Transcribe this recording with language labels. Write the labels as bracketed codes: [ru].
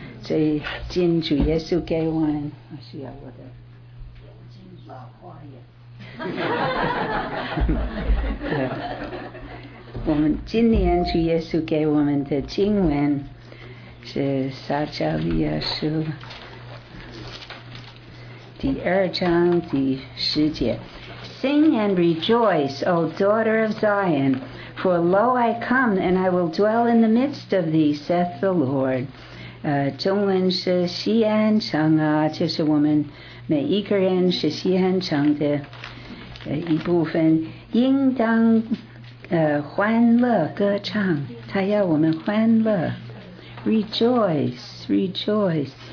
[zh] 所以敬主耶稣给我们，我需要我的眼睛老花眼。我们今年主耶稣给我们的经文是撒迦利亚书第二章第十节。 [en] Sing and rejoice, O daughter of Zion, for lo, I come, and I will dwell in the midst of thee, saith the Lord. [zh] 中文是西安城啊，就是我们每一个人是西安城的一部分，应当欢乐歌唱，他要我们欢乐。 [en] Rejoice, rejoice.